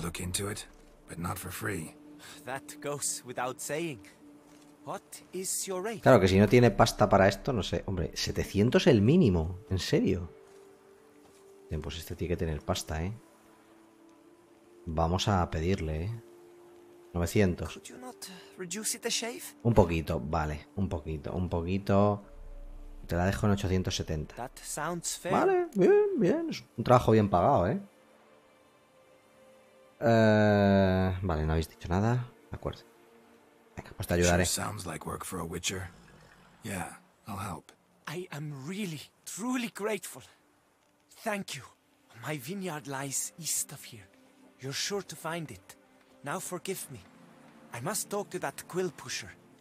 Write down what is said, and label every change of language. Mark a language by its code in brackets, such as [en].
[en] Look into it, but not for free. That goes without saying. What is your rate? [es] Claro que si no tiene pasta para esto, no sé. Hombre, 700 el mínimo. ¿En serio? Bien, pues este tiene que tener pasta, ¿eh? Vamos a pedirle, ¿eh? 900. [en] Could you not reduce it a shave? [es] Un poquito, vale. Un poquito, un poquito. Te la dejo en 870. [en] That sounds fair. [es] Vale, bien, bien. Es un trabajo bien pagado, ¿eh? Vale, no habéis dicho nada. De acuerdo. Venga, pues te ayudaré. [en] Sounds like work for a witcher. Yeah, I'll help. I am really, truly grateful. Thank you. My vineyard lies east of here. You're sure to find it. Now forgive me. I must talk to that quill pusher.